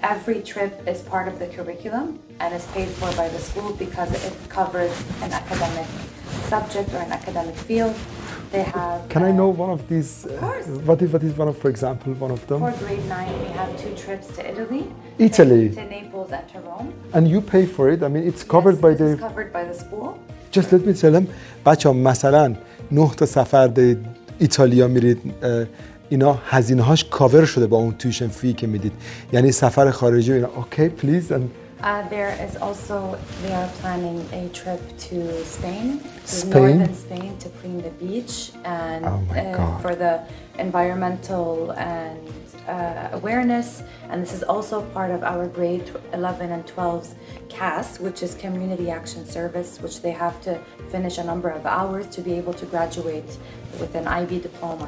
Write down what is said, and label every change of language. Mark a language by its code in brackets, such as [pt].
[en] Every trip is part of the curriculum and is paid for by the school because it covers an academic subject or an academic field. They have, can I know one of these? Of course. What is one of, for example, one of them? For grade 9, we have 2 trips to Italy. Italy? To Naples and to Rome. And you pay for it? I mean, it's covered yes, by the... it's covered by the school. Just let me tell them. [fa] بچه ها مثلا 9 تا سفر به ایتالیا میرید، اینا هزینه هاش کاور شده با اون تیوشن فی که میدید، یعنی سفر خارجی اینا. [en] Okay please. There is also we are planning a trip to Spain, to northern Spain, to clean the beach and for the environmental and awareness. And this is also part of our grade 11 and 12 CAS, which is Community Action Service, which they have to finish a number of hours to be able to graduate with an IB diploma.